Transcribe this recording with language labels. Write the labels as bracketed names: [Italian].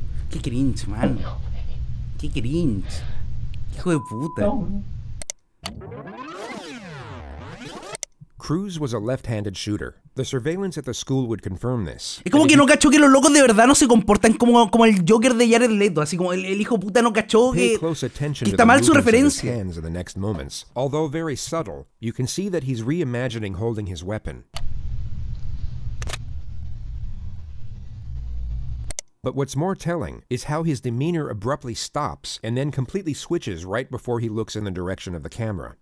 [Spanish] Qué cringe, man. Qué cringe. Hijo de puta. [English] Cruz was a left-handed shooter. The surveillance at the school would confirm this. [Spanish] Es como que no cachó que los locos de verdad no se comportan como el Joker de Jared Leto, así como el hijo puta no cachó que está mal su referencia. [English] Hands in the next moments. Although very subtle, you can see that he's reimagining holding his weapon. But what's more telling is how his demeanor abruptly stops and then completely switches right before he looks in the direction of the camera.